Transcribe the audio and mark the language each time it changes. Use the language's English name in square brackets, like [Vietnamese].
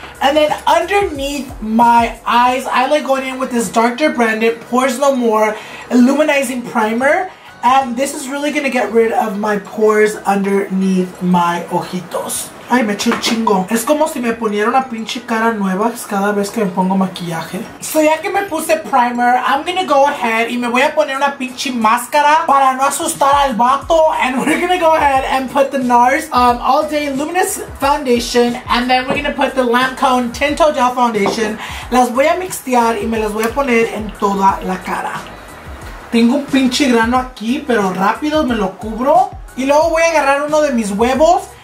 [English] And then underneath my eyes, I like going in with this Dr. Brandon Pores No More Illuminizing Primer. And this is really gonna get rid of my pores underneath my ojitos. [Spanish] Ay, me eché un chingo. Es como si me poniera una pinche cara nueva cada vez que me pongo maquillaje. So ya que me puse primer, [English] I'm gonna go ahead [Spanish] y me voy a poner una pinche máscara para no asustar al vato. [English] And we're gonna go ahead and put the NARS All Day Luminous Foundation. And then we're gonna put the Lancome Tinto Gel Foundation. [Spanish] Las voy a mixtear y me las voy a poner en toda la cara. Tengo un pinche grano aquí, pero rápido me lo cubro. Y luego voy a agarrar uno de mis huevos.